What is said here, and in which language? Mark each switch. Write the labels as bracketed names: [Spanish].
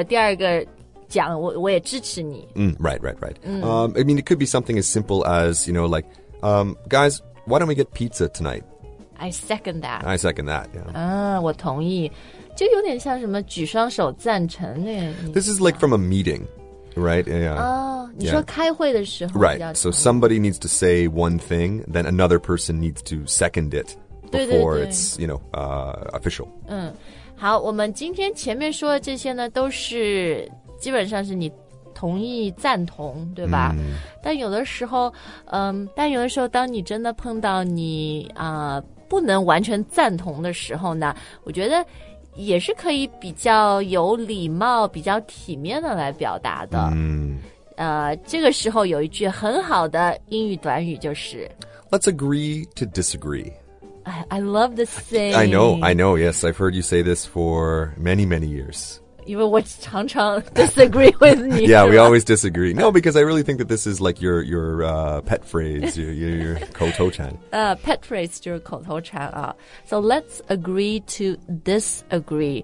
[Chinese] 我第二个讲 我也支持你、 [English] Right、I mean it could be something as simple as You know like、Guys, why don't we get pizza tonight I second that, yeah. [Chinese] 我同意。就有点像什么举双手赞成那样。 [English] This is like from a meeting, right? Yeah. [Chinese] 你说开会的时候。 [English] Right, so somebody needs to say one thing, then another person needs to second it before [Chinese] 对对对 [English] it's, you know,official. [Chinese] 好我们今天前面说的这些呢都是基本上是你同意赞同对吧、但有的时候当你真的碰到你不能完全赞同的时候呢我觉得也是可以比较有礼貌比较体面的来表达的、这个时候有一句很好的英语短语就是 [English] Let's agree to disagree I love this saying I know, yes I've heard you say this for many, many years [Chinese] 因为我常常 [English] disagree with [Chinese] 你 [English] Yeah, we always disagree. No, because I really think that this is like your pet phrase, your 口头禅 Pet phrase [Chinese] 就是口头禅啊 [English] So let's agree to disagree、